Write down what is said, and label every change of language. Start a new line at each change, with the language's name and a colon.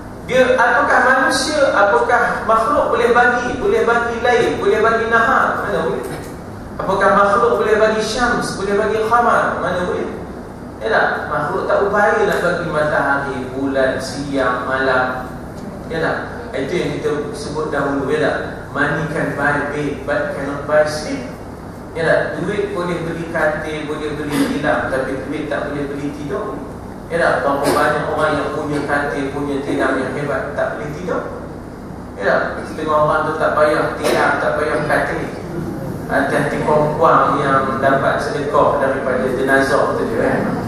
Malay: Dia, apakah manusia, apakah makhluk boleh bagi lain, boleh bagi nahar, mana boleh? Apakah makhluk boleh bagi syams, boleh bagi khamar, mana boleh? Ya tak? Makhluk tak upaya nak bagi matahari, bulan, siang, malam. Ya tak? Itu yang kita sebut dahulu, ya tak?
English: Money can buy bed, but cannot buy sleep.
Malay: Ya tak? Duit boleh beli katil, boleh beli tilam, tapi duit tak boleh beli tidur. Ya tak? Berapa banyak orang yang punya katil, punya tilam yang hebat, tak boleh tidur. Ya tak? Setengah orang tu tak payah tilam, tak payah katil. Hati-hati kong-kong yang dapat sedekah daripada jenazah tu je, kan?